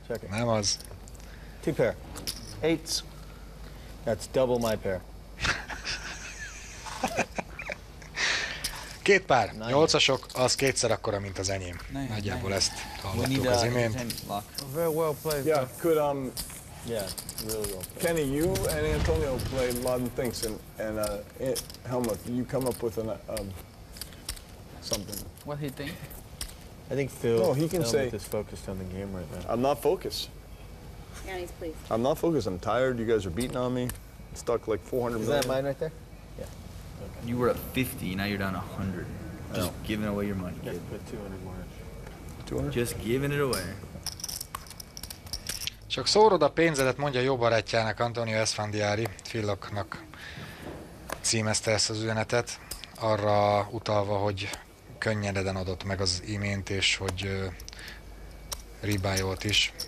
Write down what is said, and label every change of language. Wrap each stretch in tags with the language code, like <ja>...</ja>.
<hu>Nem az.</hu> <en>Two pair. Eights. That's double my pair.</en> <hu>Két pár. 8-asok, az kétszer akkora, mint az enyém. Nagyjából ezt hallottuk az imént.</hu> <en>Very well played. Yeah, could really well played. Kenny, you and Antonio played a lot of things and Helmut, you come up with something. What he think? I think Phil. Oh, he can Phil say. Is focused on the game right now. I'm not focused. Yannis, please. I'm not focused. I'm tired. You guys are beating on me. It's stuck like 400. Is million. That mine right there? Yeah. Okay. You were at 50. Now you're down 100. Just giving away your money. You have to put 200 more. 200. Just giving it away.</en> <hu>Csak szórod a pénzedet, mondja jó barátjának Antonio Esfandiari, Phil-oknak címezte ezt az üzenetet, arra utalva, hogy könnyededen adott meg az imént, és hogy ribájolt is.</hu>